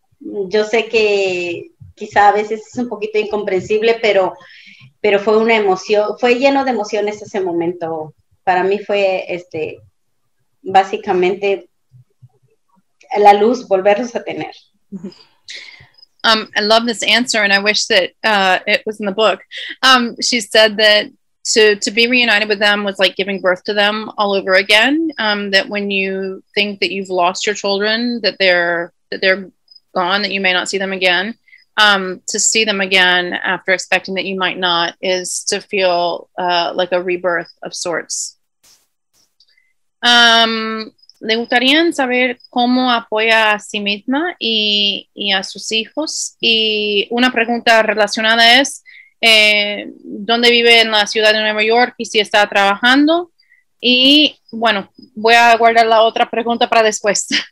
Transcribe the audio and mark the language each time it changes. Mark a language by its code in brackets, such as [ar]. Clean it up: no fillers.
[es] Yo sé que quizá a veces es un poquito incomprensible, pero fue una emoción, fue lleno de emociones ese momento. Para mí fue básicamente la luz, volverlos a tener. [en] I love this answer, and I wish that it was in the book. She said that to be reunited with them was like giving birth to them all over again. That when you think that you've lost your children, that they're gone, that you may not see them again, to see them again after expecting that you might not is to feel like a rebirth of sorts. [es] Le gustaría saber cómo apoya a sí misma y a sus hijos. Y una pregunta relacionada es, ¿dónde vive en la ciudad de Nueva York y si está trabajando? Y bueno, voy a guardar la otra pregunta para después.